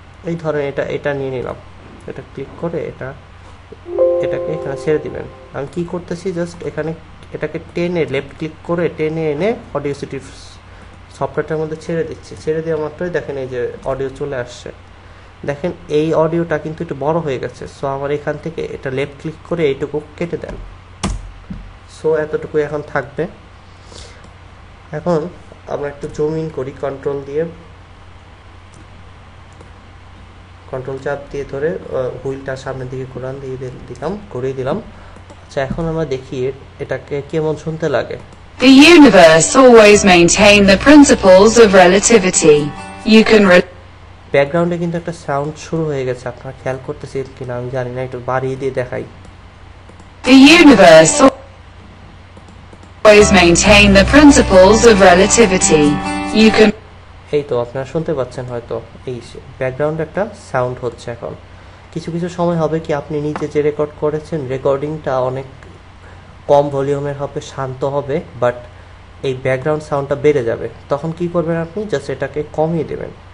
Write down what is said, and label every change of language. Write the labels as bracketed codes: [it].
[bn] এই ধরনের এটা এটা নিয়ে নিলাম এটা ক্লিক করে এটা এটাকে এখানে ছেড়ে দিবেন আমি কি করতেছি জাস্ট এখানে এটাকে টেনে লেফট ক্লিক করে টেনে এনে অডিও সিটি সফটওয়্যারটার মধ্যে ছেড়ে দিচ্ছি ছেড়ে দেওয়া মাত্রই দেখেন এই যে অডিও চলে আসছে দেখেন এই অডিওটা কিন্তু একটু বড় হয়ে গেছে সো আমার এখান থেকে এটা লেফট ক্লিক করে এইটুকু কেটে দেন সো এতটুকু এখন থাকবে এখন আমরা একটু জুম ইন করি কন্ট্রোল দিয়ে কন্ট্রোল চাপ দিয়ে ধরে হুইলটা সামনের দিকে ঘোরান দিয়ে দিলাম ঘুরিয়ে দিলাম আচ্ছা এখন আমরা দেখি এটাকে কেমন শুনতে লাগে [en] The universe always maintain the principles of relativity. You can [bn] ব্যাকগ্রাউন্ডে কিন্তু একটা সাউন্ড শুরু হয়ে গেছে, আপনারা খেয়াল করতেছেন কিনা আমি জানি না, একটু বাড়িয়ে দিয়ে দেখাই। [en] The universe always maintain the principles of relativity. You can [bn] এই তো আপনারা শুনতে পাচ্ছেন হয়তো, এই ব্যাকগ্রাউন্ডে একটা সাউন্ড হচ্ছে এখন। কিছু কিছু সময় হবে কি আপনি নিজে যে রেকর্ড করেছেন রেকর্ডিংটা অনেক কম ভলিউমের হবে, শান্ত হবে, বাট এই ব্যাকগ্রাউন্ড সাউন্ডটা বেড়ে যাবে, তখন কি করবেন আপনি, জাস্ট এটাকে কমিয়ে দেবেন।